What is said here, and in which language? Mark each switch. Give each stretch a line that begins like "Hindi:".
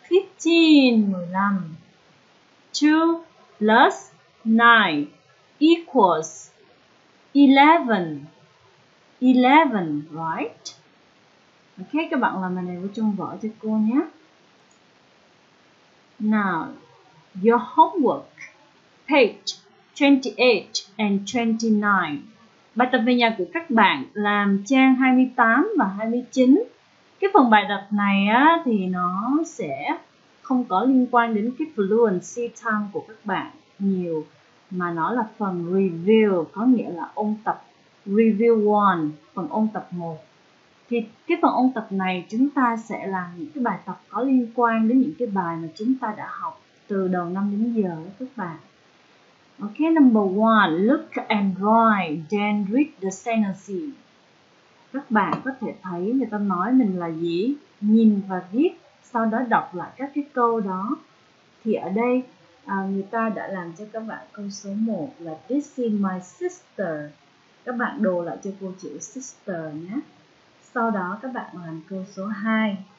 English: 15, 15. 2 plus 9 equals 11, 11, right?
Vietnamese: Ok, các bạn làm bài này với chung vở cho cô nhé.
English: Now, your homework, page 28 and 29.
Vietnamese: Bài tập về nhà của các bạn làm trang 28 và 29. Cái phần bài tập này á, thì nó sẽ không có liên quan đến cái fluency time của các bạn nhiều, mà nó là phần review, có nghĩa là ôn tập review 1, phần ôn tập 1. Thì cái phần ôn tập này chúng ta sẽ làm những cái bài tập có liên quan đến những cái bài mà chúng ta đã học từ đầu năm đến giờ đó các bạn.
English: Ok, number 1, look and write, then read the sentence.
Vietnamese: Các bạn có thể thấy người ta nói mình là gì? Nhìn và viết, sau đó đọc lại các cái câu đó. Thì ở đây người ta đã làm cho các bạn câu số 1 là
English: this is my sister.
Vietnamese: Các bạn đồ lại cho cô chữ sister nhé. Sau đó các bạn làm câu số 2.